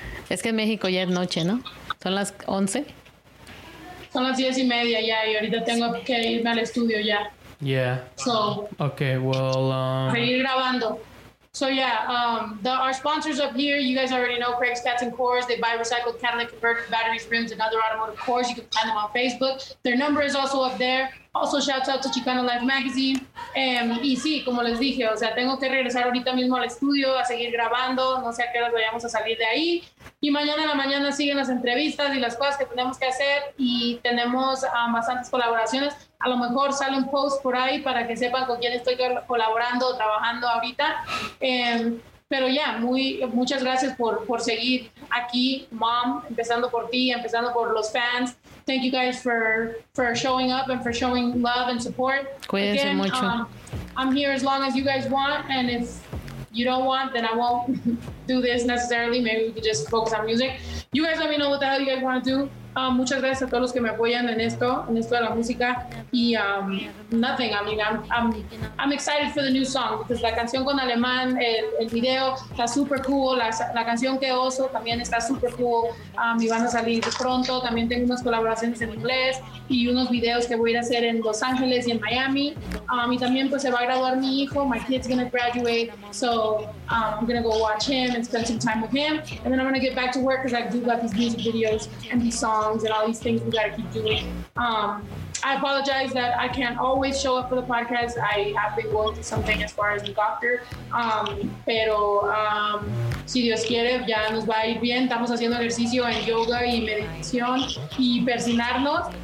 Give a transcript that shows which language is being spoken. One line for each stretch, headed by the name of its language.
Spanish: Es que en México ya es noche, ¿no? Son las 11. Son las 10:30 ya, y ahorita tengo que irme al estudio ya.
English: Yeah. So. Okay. Well.
Spanish: Seguir grabando.
English: So yeah, our sponsors up here, you guys already know Craig's Cats and Cores. They buy recycled catalytic converters, batteries, rims, and other automotive cores. You can find them on Facebook. Their number is also up there. Also, shout out to Chicano Life Magazine.
Spanish: Y sí, como les dije, o sea, tengo que regresar ahorita mismo al estudio a seguir grabando. No sé a qué horas vayamos a salir de ahí. Y mañana en la mañana siguen las entrevistas y las cosas que tenemos que hacer. Y tenemos bastantes colaboraciones. A lo mejor sale un post por ahí para que sepan con quién estoy colaborando o trabajando ahorita. Pero ya, muchas gracias por seguir aquí, Mom, empezando por ti, empezando por los fans.
English: Thank you guys for showing up and for showing love and support.
Spanish: Cuídense
English: again,
Spanish: mucho.
English: I'm here as long as you guys want, and if you don't want, then I won't do this necessarily. Maybe we can just focus on music. You guys let me know what the hell you guys want to do.
Spanish: Muchas gracias a todos los que me apoyan en esto de la música. Y
English: nothing, I mean, I'm excited for the new song, because
Spanish: la canción con Alemán, el video está super cool, la canción que Oso también está super cool, y van a salir pronto. También tengo unas colaboraciones en inglés y unos videos que voy a ir a hacer en Los Ángeles y en Miami. Y también pues se va a graduar mi hijo,
English: my kid's gonna graduate, so I'm gonna go watch him and spend some time with him, and then I'm gonna get back to work, because I do got these music videos and these songs and all these things we gotta keep doing. I apologize that I can't always show up for the podcast. I have been going through something as far as the doctor.
Spanish: Pero si Dios quiere, ya nos va a ir bien. Estamos haciendo ejercicio en yoga y meditación y persinarnos.